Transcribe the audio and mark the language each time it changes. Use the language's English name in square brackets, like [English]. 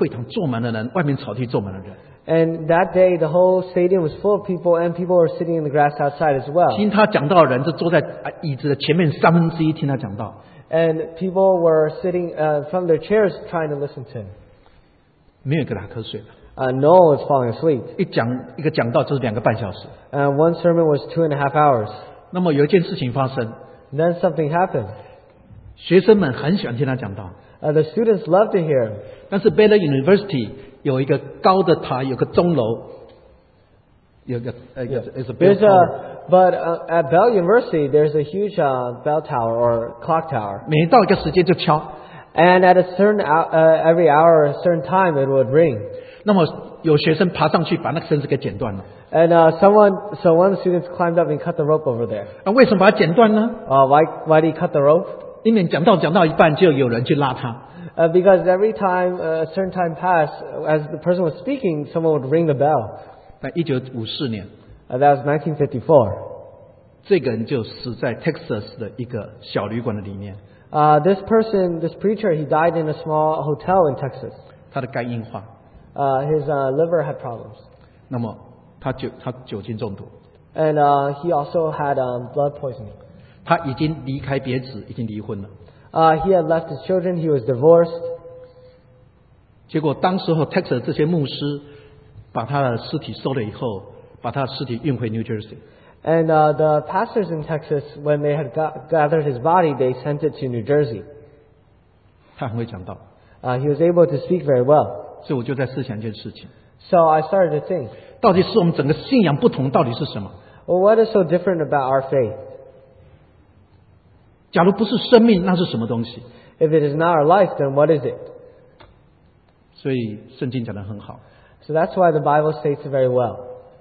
[Chinese] 那么那一天整个会堂坐满了人，外面草地坐满了人。 [English] And that day, the whole stadium was full of people, and people were sitting in the grass outside as well. [Chinese] 听他讲道的人就坐在椅子的前面三分之一听他讲道。 [English] And people were sitting from their chairs trying to listen to him. [Chinese] 没有一个打瞌睡了。 [English] No one was falling asleep. [Chinese] 一讲一个讲道就是2.5小时。 [English] And one sermon was 2.5 hours. [Chinese] 那么有一件事情发生。 [English] Then something happened. [Chinese] 学生们很喜欢听他讲道。 [English] The students loved to hear him. [Chinese] 但是 Baylor University 有一个高的塔，有个钟楼，有个。 [English] There's a but at Bell University there's a huge bell tower or clock tower. [Chinese] 每到一个时间就敲。 [English] And at a certain every hour a certain time it would ring. [Chinese] 那么有学生爬上去把那个绳子给剪断了。 [English] And one of the students climbed up and cut the rope over there. [Chinese] 为什么把它剪断呢？ [English] Why did he cut the rope? [Chinese] 因为讲到一半就有人去拉他。 [English] Because every time a certain time passed, as the person was speaking, someone would ring the bell. [Chinese] 1954年。 [English] That was 1954. [Chinese] 这个人就死在 Texas的一个小旅馆的里面。 [English] This preacher, he died in a small hotel in Texas. [Chinese] 他的肝硬化。 [English] His liver had problems. [Chinese] 那么他酒精中毒。 [English] And he also had blood poisoning. [Chinese] 他已经离开别子，已经离婚了。 [English] He had left his children, he was divorced. [Chinese] 结果当时候 Texas这些牧师把他的尸体收了以后， 把他的尸体运回New Jersey. [English] And the pastors in Texas, when they had gathered his body, they sent it to New Jersey. [Chinese] 他很会讲道。 [English] He was able to speak very well. [Chinese] 所以我就在思想一件事情。 [English] So I started to think, [Chinese] 到底是我们整个信仰不同， 到底是什么？ [English] Well, what is so different about our faith? [Chinese] 假如不是生命，那是什么东西？ [English] If it is not our life, then what is it? [Chinese] 所以圣经讲得很好。 [English] So that's why the Bible states it very well.